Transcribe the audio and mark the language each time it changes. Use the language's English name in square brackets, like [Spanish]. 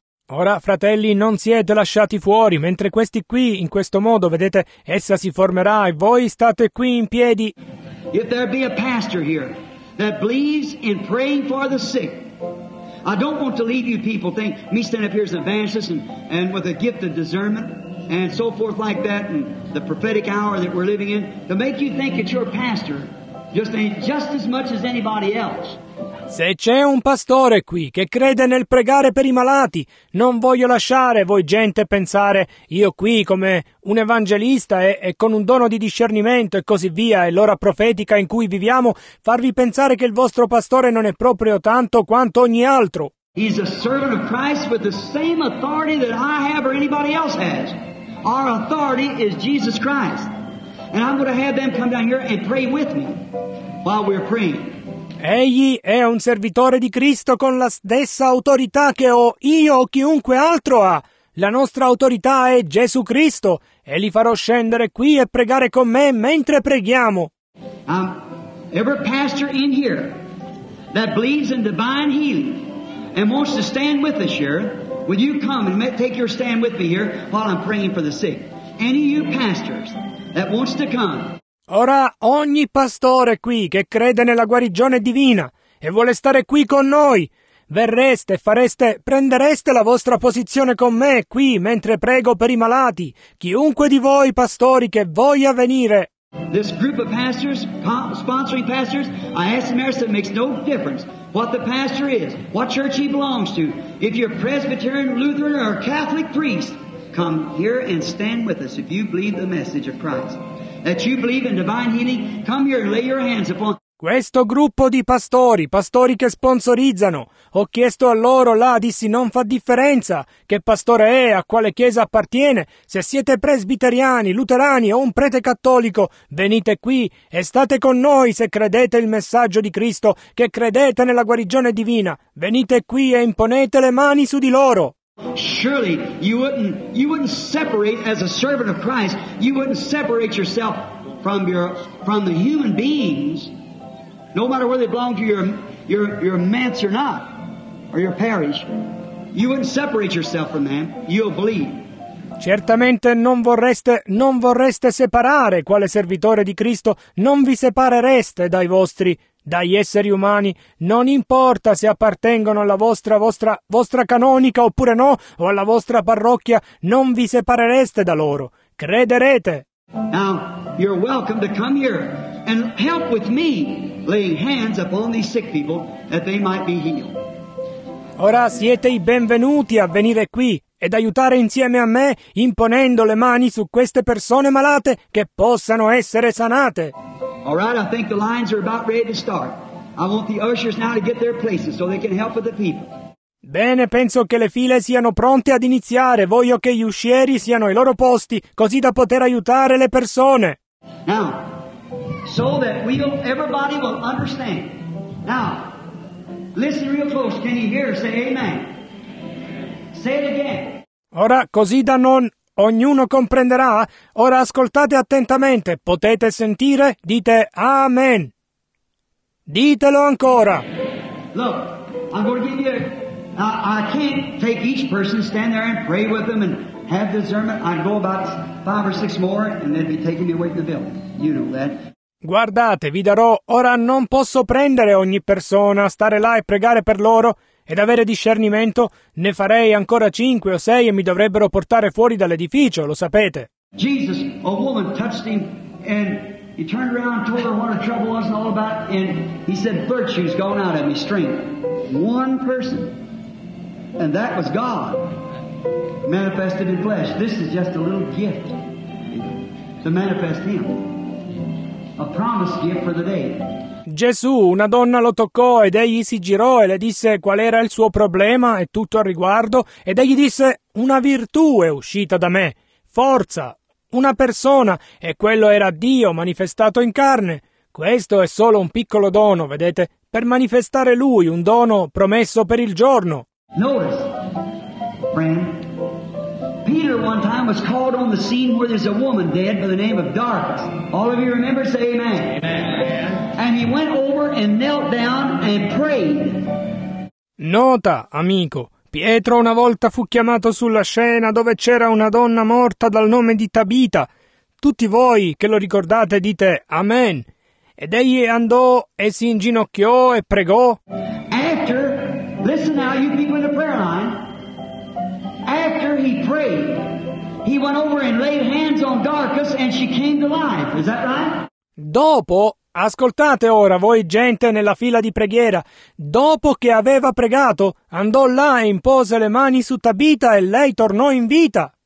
[Italian] Ora, fratelli, non siete lasciati fuori, mentre questi qui, in questo modo, vedete, essa si formerà e voi state qui in piedi. [English] If there be a pastor here that believes in praying for the sick, I don't want to leave you people think me stand up here as an evangelist and with a gift of discernment and so forth like that and the prophetic hour that we're living in to make you think it's your pastor just as much as anybody else. [Italian] Se c'è un pastore qui che crede nel pregare per i malati, non voglio lasciare voi gente pensare io qui come un evangelista e con un dono di discernimento e così via e l'ora profetica in cui viviamo farvi pensare che il vostro pastore non è proprio tanto quanto ogni altro. [English] He's a servant of Christ with the same authority that I have or anybody else has. Our authority is Jesus Christ. And I'm going to have them come down here and pray with me while we're praying. [Italian] Egli è un servitore di Cristo con la stessa autorità che ho io o chiunque altro ha. La nostra autorità è Gesù Cristo e li farò scendere qui e pregare con me mentre preghiamo. [English] Every pastor in here that believes in divine healing and wants to stand with us here, will you come and take your stand with me here while I'm praying for the sick? Any of you pastors that wants to come. [Italian] Ora ogni pastore qui che crede nella guarigione divina e vuole stare qui con noi, verreste, fareste, prendereste la vostra posizione con me qui mentre prego per i malati, chiunque di voi pastori che voglia venire. [English] This group of pastors, sponsoring pastors, I asked them, I said, it makes no difference what the pastor is, what church he belongs to. If you're Presbyterian, Lutheran, or Catholic priest, come here and stand with us if you believe the message of Christ. That you believe in divine healing, come here and lay your hands upon... [Italian] Questo gruppo di pastori, pastori che sponsorizzano, ho chiesto a loro là, dissi, non fa differenza che pastore è, a quale chiesa appartiene, se siete presbiteriani, luterani o un prete cattolico, venite qui e state con noi se credete il messaggio di Cristo, che credete nella guarigione divina, venite qui e imponete le mani su di loro. [English] Surely you wouldn't separate as a servant of Christ, you wouldn't separate yourself from the human beings. No matter whether they belong to your manse or not, or your parish, you wouldn't separate yourself from them. You'll believe. [Italian] Certamente non vorreste separare quale servitore di Cristo, non vi separereste dai vostri, dagli esseri umani, non importa se appartengono alla vostra canonica oppure no, o alla vostra parrocchia, non vi separereste da loro. Crederete. [English] Now, you're welcome to come here and help with me laying hands upon these sick people that they might be healed. [Italian] Ora siete i benvenuti a venire qui ed aiutare insieme a me imponendo le mani su queste persone malate che possano essere sanate. [English] All right, I think the lines are about ready to start. I want the ushers now to get their places so they can help with the people. [Italian] Bene, penso che le file siano pronte ad iniziare. Voglio che gli uscieri siano ai loro posti, così da poter aiutare le persone. [English] Now, so that we'll, everybody will understand. Now, listen real close. Can you hear? Say amen. Say it again. [Italian] Ora, così da non... ognuno comprenderà. Ora ascoltate attentamente. Potete sentire? Dite amen. Ditelo ancora. [English] Look, I'm going to give you... Now, I can't take each person, stand there and pray with them and have discernment. I'd go about five or six more and they'd be taking me away from the building. You know that. [Italian] Guardate, vi darò, ora non posso prendere ogni persona, stare là e pregare per loro ed avere discernimento. Ne farei ancora cinque o sei e mi dovrebbero portare fuori dall'edificio, lo sapete. [English] Jesus, a woman touched him and he turned around and told her what her trouble was and all about and he said, virtue's gone out of me, strength. One person. And that was God manifested in flesh. This is just a little gift to manifest Him. A promise gift for the day. [Italian] Gesù, una donna lo toccò ed egli si girò e le disse qual era il suo problema e tutto al riguardo. Ed egli disse, una virtù è uscita da me. Forza, una persona. E quello era Dio manifestato in carne. Questo è solo un piccolo dono, vedete, per manifestare Lui, un dono promesso per il giorno. [English] Notice, friend, Peter one time was called on the scene where there's a woman dead by the name of Dorcas. All of you remember? Say amen. Amen. And he went over and knelt down and prayed. [Italian] Nota, amico, Pietro una volta fu chiamato sulla scena dove c'era una donna morta dal nome di Tabita. Tutti voi che lo ricordate dite amen. Ed egli andò e si inginocchiò e pregò. [English] After, listen now, you people in the prayer line. After he prayed, he went over and laid hands on Dorcas and she came to life. Is that right? [Italian] Dopo, ascoltate ora voi gente nella fila di preghiera. Dopo che aveva pregato, andò là e impose le mani su Tabita e lei tornò in vita.